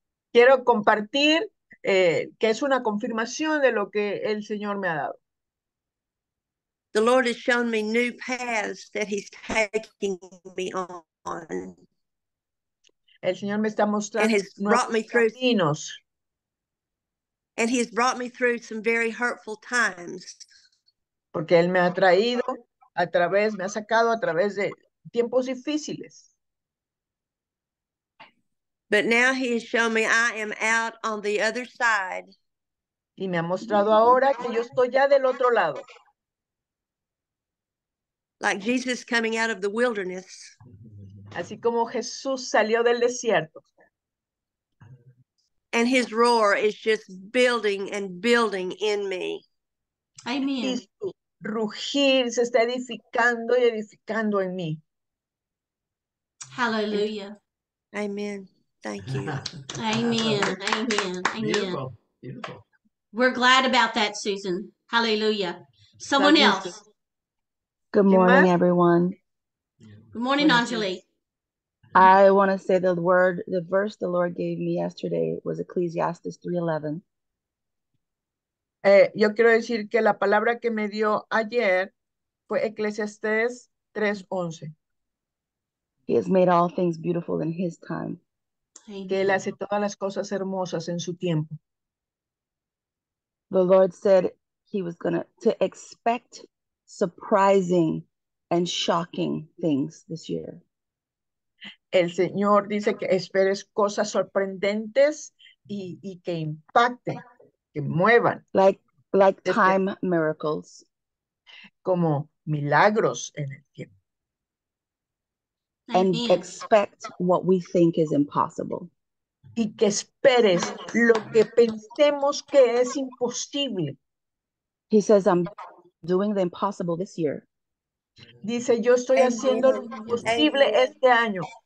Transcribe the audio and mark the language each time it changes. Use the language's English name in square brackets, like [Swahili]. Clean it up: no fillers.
[Spanish] Quiero compartir que es una confirmación de lo que el Señor me ha dado. [English] The Lord has shown me new paths that he's taking me on. [Spanish] El Señor me está mostrando nuevos caminos. [English] And he has brought me through some very hurtful times. [Spanish] Porque él me ha traído me ha sacado a través de tiempos difíciles. [English] But now he has shown me I am out on the other side. [Spanish] Y me ha mostrado ahora que yo estoy ya del otro lado. [English] Like Jesus coming out of the wilderness. [Spanish] Así como Jesús salió del desierto. [English] And his roar is just building and building in me. Amen. [Spanish] Y su rugir se está edificando y edificando en mí. [English] Hallelujah. Amen. Thank you. Amen. Beautiful. Beautiful. We're glad about that, Susan. Hallelujah. Someone else. Good morning, everyone. Good morning, Anjali. I want to say the verse the Lord gave me yesterday was Ecclesiastes 3:11. [Spanish] Yo quiero decir que la palabra que me dio ayer fue Ecclesiastes 3:11. [English] He has made all things beautiful in his time. [Spanish] Que él hace todas las cosas hermosas en su tiempo. [English] The Lord said he was going to expect surprising and shocking things this year. [Spanish] El Señor dice que esperes cosas sorprendentes y que impacten, que muevan. [English] Like time miracles. [Spanish] Como milagros en el tiempo. [English] And expect what we think is impossible. [Spanish] Y que esperes lo que pensemos que es imposible. [English] He says, I'm doing the impossible this year. [Spanish] Dice, yo estoy haciendo lo imposible este año.